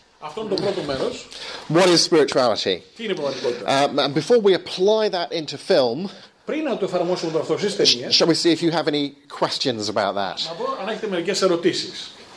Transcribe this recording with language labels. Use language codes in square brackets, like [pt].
[el] Αυτό είναι το πρώτο μέρος. [en] What is spirituality? [el] Τι είναι πραγματικότητα? [en] And before we apply that into film, [el] πριν να το εφαρμόσουμε αυτό στις ταινίες, [en] shall we see if you have any questions about that? [el] Να δω αν έχετε μερικές ερωτήσεις.